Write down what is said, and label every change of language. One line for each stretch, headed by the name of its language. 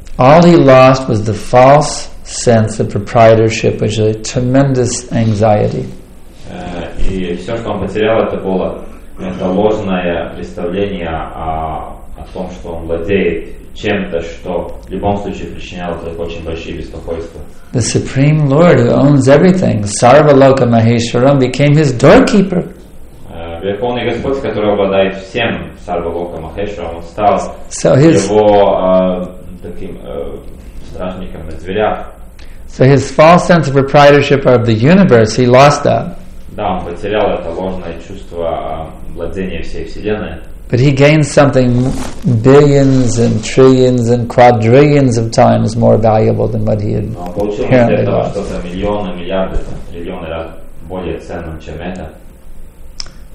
English: All he lost was the false sense of proprietorship, which is a tremendous anxiety.
Russian: И все, что он потерял, это было это ложное представление о том, что он владеет чем-то, что в любом случае причиняло так очень большие беспокойства.
English: The Supreme Lord, who owns everything, Sarvaloka Maheshwaram, became his doorkeeper.
Russian: Верховный Господь, который обладает всем, Сарвалока Махешвара, он стал
English: so his,
Russian: его таким стражником на дверях.
English: So his false sense of proprietorship of the universe, he lost that.
Russian: Да, он потерял это ложное чувство владения всей Вселенной.
English: But he gains something billions and trillions and quadrillions of times more valuable than what he had apparently lost.